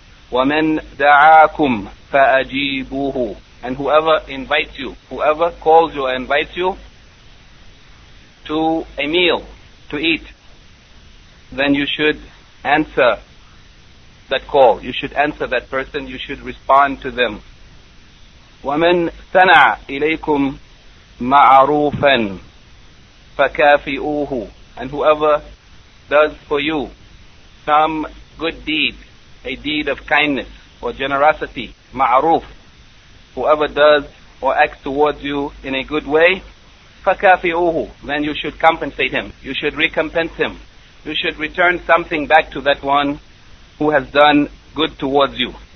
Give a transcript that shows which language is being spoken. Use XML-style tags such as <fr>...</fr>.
<ar>وَمَنْ دَعَاكُمْ فَأَجِيبُوهُ,</ar> <en>and whoever invites you, whoever calls you or invites you to a meal, to eat, then you should answer that call, you should answer that person, you should respond to them.</en> <ar>وَمَنْ سَنَعَ إِلَيْكُمْ مَعَرُوفًا فَكَافِئُوهُ,</ar> <en>and whoever does for you some good deed, a deed of kindness or generosity, ma'ruf, whoever does or acts towards you in a good way, fakafi'uhu, then you should compensate him, you should recompense him, you should return something back to that one who has done good towards you.</en>